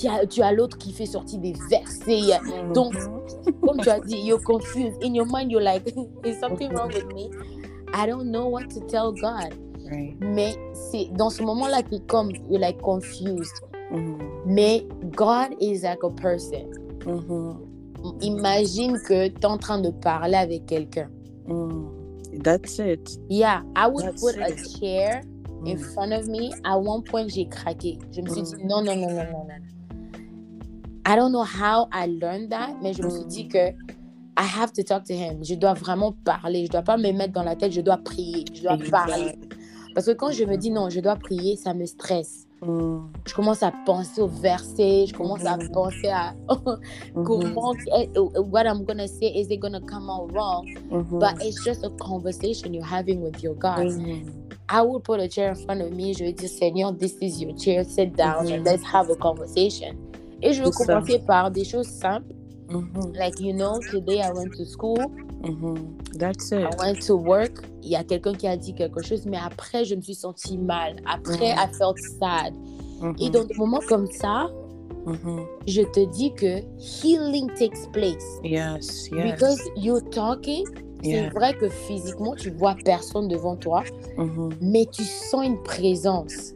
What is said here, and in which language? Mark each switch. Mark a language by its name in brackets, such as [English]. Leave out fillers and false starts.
[French] Tu as l'autre qui fait sortir des versets. Donc, comme tu as dit, [English] you're confused. In your mind, you're like, is something wrong with me? I don't know what to tell God. [French] Mais c'est dans ce moment-là que comme [English] you're like confused. [French] Mais [English] God is like a person. [French] Imagine que tu es en train de parler avec quelqu'un. [English] That's it. Yeah, I would That's put it. A chair in front of me. At one point, [French] j'ai craqué. Je me suis dit, non. [English] I don't know how I learned that, [French] mais je me suis dit que [English] I have to talk to him. [French] Je dois vraiment parler. Je ne dois pas me mettre dans la tête. Je dois prier. Je dois parler. Parce que quand je me dis, non, je dois prier, ça me stresse. Je commence à penser au verset. Je commence à penser à comment, [English] what I'm going to say, is it going to come out wrong? But it's just a conversation you're having with your God. I would put a chair in front of me. [French] Je vais dire, [English] Seigneur, this is your chair. Sit down and let's have a conversation. [French] Et je vais commencer par des choses simples. [English] Like, you know, today I went to school. That's it. I went to work. [French] Il y a quelqu'un qui a dit quelque chose, mais après, je me suis sentie mal. Après, [English] I felt sad. [French] Et dans des moments comme ça, je te dis que [English] healing takes place. Yes, yes. Because you're talking... [French] C'est vrai que physiquement, tu vois personne devant toi, mais tu sens une présence.